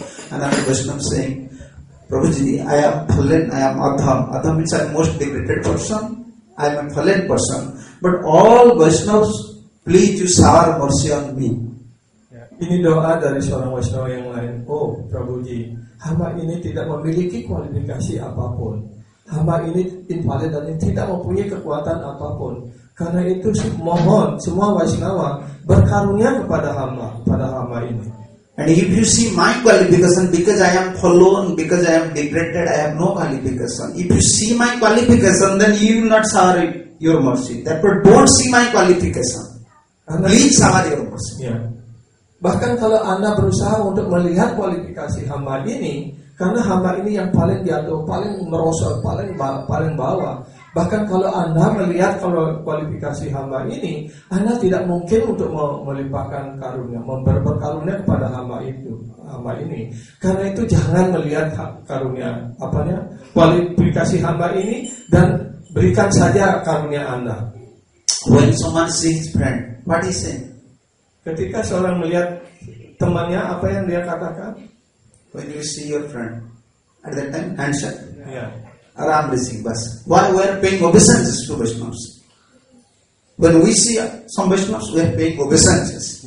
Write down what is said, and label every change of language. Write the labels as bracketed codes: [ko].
[en] And after Vaishnava saying, Prabhuji, I am fallen, I am adham. Adham means I am most degraded person, I am a fallen person, but all Vaishnavas, please you shower mercy on me. [id] Ini doa dari seorang Vaishnava yang lain. Oh, Prabhuji, hamba ini tidak memiliki kualifikasi apapun. Hamba ini invalid dan ini tidak mempunyai kekuatan apapun. Karena itu mohon semua Vaishnava berkarunia kepada hamba, pada hamba ini. [en] And if you see my qualification, because I am fallen, because I am degraded, I have no qualification. If you see my qualification, then you will not shower your mercy. Therefore, don't see my qualification. Please shower your mercy. Yeah. [id] Bahkan kalau Anda berusaha untuk melihat kualifikasi hamba ini, karena hamba ini yang paling jatuh, paling merosot, paling bawah. Bahkan kalau Anda melihat kualifikasi hamba ini, Anda tidak mungkin untuk melimpahkan karunia, memperkarunia kepada hamba itu, hamba ini. Karena itu jangan melihat karunia, apanya, kualifikasi hamba ini, dan berikan saja karunia Anda. [en] When someone sees friend, what is it? [id] Ketika seorang melihat temannya, apa yang dia katakan? [en] When you see your friend, at that time, answer. Yeah. Aram blessing, bas. Why we are paying obeisances to Vaishnavas? When we see some Vaishnavas, we are paying obeisances.